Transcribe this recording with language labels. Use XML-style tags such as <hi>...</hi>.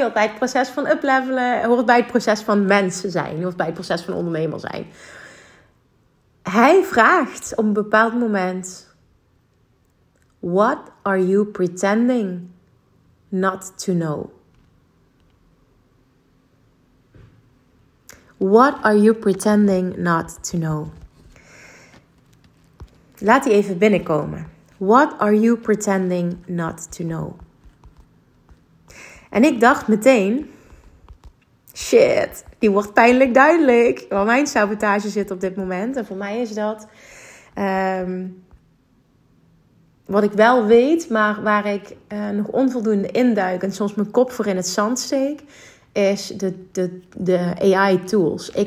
<nl>Hoort bij het proces van uplevelen. Hoort bij het proces van mensen zijn. Hoort bij het proces van ondernemer zijn. Hij vraagt op een bepaald moment,</nl> <en>what are you pretending not to know? What are you pretending not to know?</en> <nl>Laat die even binnenkomen.</nl> <en>What are you pretending not to know?</en> <nl>En ik dacht meteen, shit, die wordt pijnlijk duidelijk waar mijn sabotage zit op dit moment. En voor mij is dat wat ik wel weet, maar waar ik nog onvoldoende induik en soms mijn kop voor in het zand steek, is de AI tools.</nl>